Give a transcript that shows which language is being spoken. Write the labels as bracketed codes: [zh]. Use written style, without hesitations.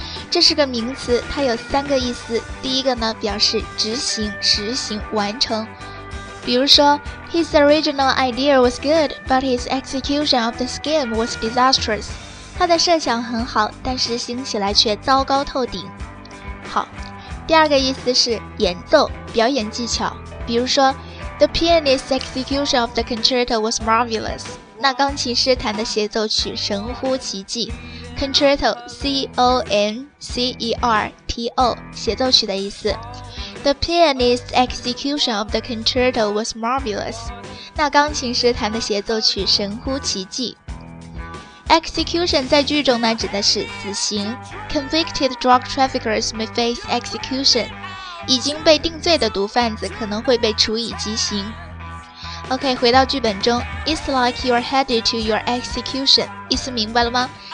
[zh] 这是个名词，它有三个意思。第一个呢，表示执行、实行、完成。比如说 [en] His original idea was good, but his execution of the scheme was disastrous. [zh] 他的设想很好，但是行起来却糟糕透顶。好，第二个意思是演奏、表演技巧。比如说 [en] The pianist's execution of the concerto was marvelous. [zh] 那钢琴师弹的协奏曲神乎其技。 [en] Concerto, C-O-N-C-E-R-T-O, [zh] 协奏曲的意思。 [en] The pianist's execution of the concerto was marvelous. [zh] 那钢琴师弹的协奏曲神乎其技。 [en] Execution [zh] 在剧中呢指的是死刑。 [en] Convicted drug traffickers may face execution. [zh] 已经被定罪的毒贩子可能会被处以极刑。 [en] OK, [zh] 回到剧本中。 [en] It's like you're headed to your execution. [zh] 意思明白了吗？